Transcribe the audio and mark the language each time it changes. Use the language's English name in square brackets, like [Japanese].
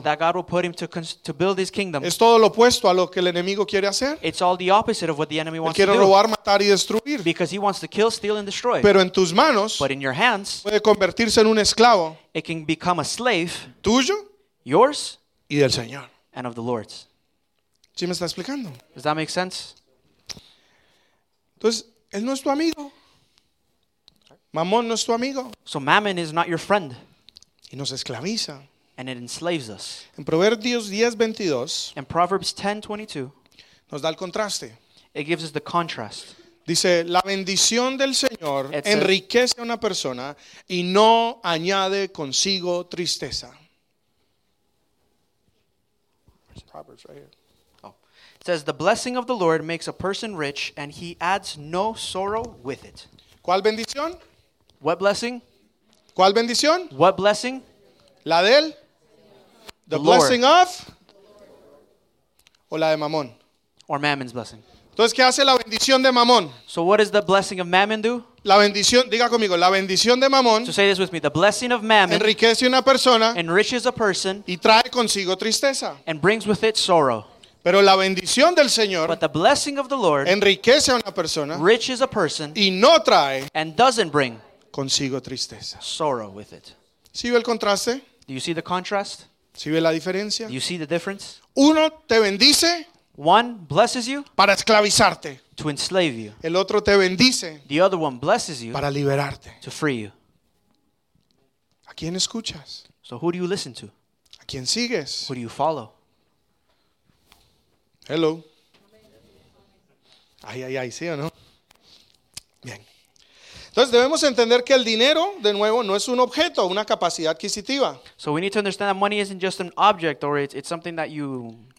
[English] That God would put him to build his kingdom. [Spanish] Es todo lo opuesto a lo que el enemigo quiere hacer. [English] It's all the opposite of what the enemy wants [Spanish] quiere [English] to [Spanish] robar, [English] do. [Spanish] Quiere robar, matar y destruir. [English] Because he wants to kill, steal and destroy. [Spanish] Pero en tus manos. [English] But in your hands. [Spanish] Puede convertirse en un esclavo. [English] It can become a slave. [Spanish] Tuyo. [English] Yours. [Spanish] Y del Señor. [English] And of the Lord's. [Spanish] ¿Sí me está explicando? [English] Does that make sense? [Spanish] Entonces, él no es tu amigo. Mamón no es tu amigo. [English] So mammon is not your friend. [Spanish] Y nos esclaviza. [English] And it enslaves us. [Spanish] En Proverbios 10:22. [English] In Proverbs 10:22. [Spanish] Nos da el contraste. [English] It gives us the contrast. [Spanish] Dice, la bendición del Señor enriquece a una persona y no añade consigo tristeza. [English] It's Proverbs right here. Oh. It says, the blessing of the Lord makes a person rich and he adds no sorrow with it. [Spanish] ¿Cuál bendición? [English] What blessing? [Spanish] ¿Cuál bendición? [English] What blessing? [Spanish] La del? [English] The Lord. Blessing of? [Spanish] O la de mamón. [English] Or mammon's blessing. [Spanish] Entonces, ¿qué hace la bendición de mamón? [English] So what does the blessing of mammon do? [Spanish] La bendición, diga conmigo, la bendición de mamón. [English] So say this with me. The blessing of mammon. [Spanish] Enriquece una persona. [English] Enriches a person. [Spanish] Y trae consigo tristeza. [English] And brings with it sorrow. [Spanish] Pero la bendición del Señor. [English] But the blessing of the Lord. [Spanish] Enriquece a una persona. [English] Riches a person. [Spanish] Y no trae. [English] And doesn't bring. [Spanish] Consigo tristeza. [English] Sorrow with it. [Spanish] ¿Sí ve el contraste? [English] Do you see the contrast? [Spanish] ¿Sí ve la diferencia? [English] Do you see the difference? [Spanish] Uno te bendice. [English] One blesses you. [Spanish] Para esclavizarte. [English] To enslave you. [Spanish] El otro te bendice. [English] The other one blesses you. [Spanish] Para liberarte. [English] To free you. [Spanish] ¿A quién escuchas? [English] So who do you listen to? [Spanish] ¿A quién sigues? [English] Who do you follow? [Spanish] Hello. Ay, ay, ay, ¿sí o no? Bien. Entonces debemos entender que el dinero, de nuevo, no es un objeto, una capacidad adquisitiva. [English] So we need to understand that money isn't just an object or it's something that you